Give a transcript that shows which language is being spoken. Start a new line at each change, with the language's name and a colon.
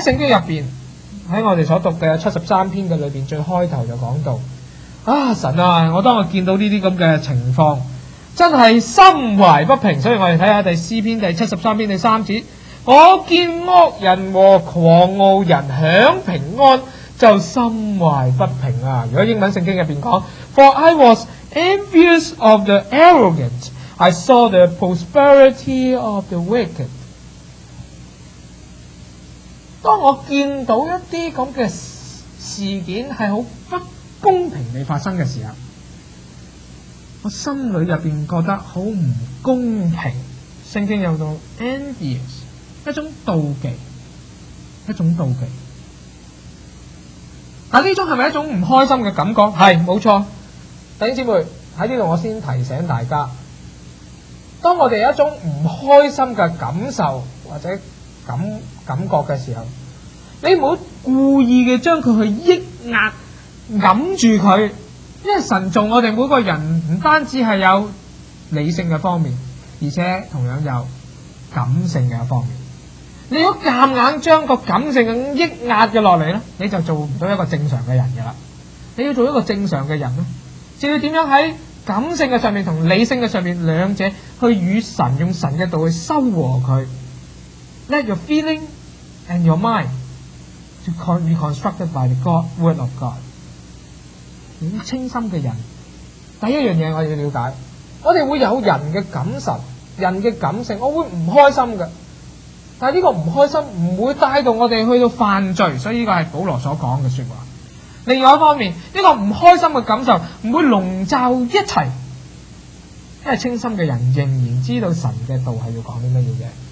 Chinese: 在聖經裡面，在我們所讀的73篇的裡面，最開頭就講到啊，神啊，我當我見到這些這情況真是心懷不平。所以我們看看第詩篇第73篇第三節，我見惡人和狂傲人享平安就心懷不平啊。如果英文聖經裡面講
English: For I was envious of the arrogant, I saw the prosperity of the wicked。
Chinese: 當我見到一些這樣的事件是很不公平地發生的時候，我心裡裡面覺得很不公平，聖經有到 envious， 一種妒忌，一種妒忌。但這種是不是一種不開心的感覺？是，沒錯。弟兄姊妹，在這裡我先提醒大家，當我們有一種不開心的感受或者感覺的時候，你不要故意的將它去抑壓掩住它，因為神造我們每個人不單止是有理性的方面，而且同樣有感性的方面。你如果硬將個感性的抑壓下來，你就做不到一個正常的人了。你要做一個正常的人，就要怎樣在感性的上面和理性的上面兩者去與神用神的道去修和它。
English: Let your feeling and your mind to be reconstructed by the God, word of God。
Chinese: 有清心的人，第一件事我要了解，我們會有人的感受，人的感性，我會不開心的，但這個不開心不會帶動我們去到犯罪，所以這個是保羅所說的說話。另外一方面，這個不開心的感受不會籠罩一切，因為清心的人仍然知道神的道是要講什麼東西。